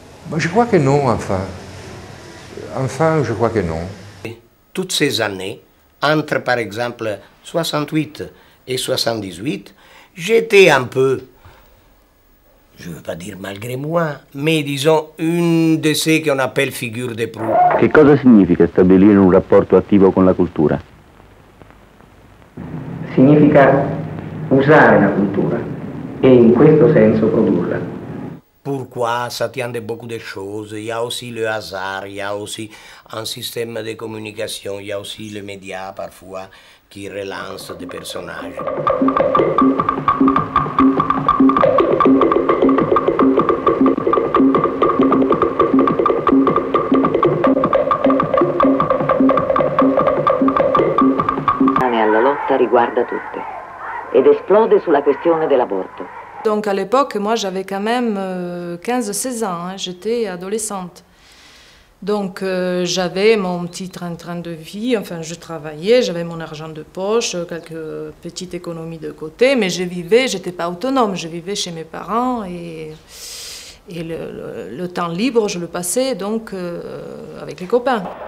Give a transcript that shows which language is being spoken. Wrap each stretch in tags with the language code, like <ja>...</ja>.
<fr>Mais je crois que non, enfin. Enfin, je crois que non. Toutes ces années, entre par exemple 68 et 78, j'étais un peu, je ne veux pas dire malgré moi, mais disons une de ces qu'on appelle figure de proue.</fr> <it>Che cosa significa stabilire un rapporto attivo con la cultura? Significa usare la cultura e in questo senso produrla.</it> <fr>Pourquoi ça tient de beaucoup de choses. Il y a aussi le hasard, il y a aussi un système de communication, il y a aussi les médias parfois qui relancent des personnages.</fr> <it>Et la lotta riguarda tutte ed esplode sulla questione dell'aborto.</it> <fr>Donc à l'époque, moi j'avais quand même 15-16 ans, hein, j'étais adolescente. Donc j'avais mon petit train de vie, enfin je travaillais, j'avais mon argent de poche, quelques petites économies de côté, mais je vivais, j'étais pas autonome, je vivais chez mes parents et le temps libre je le passais donc avec les copains.</fr>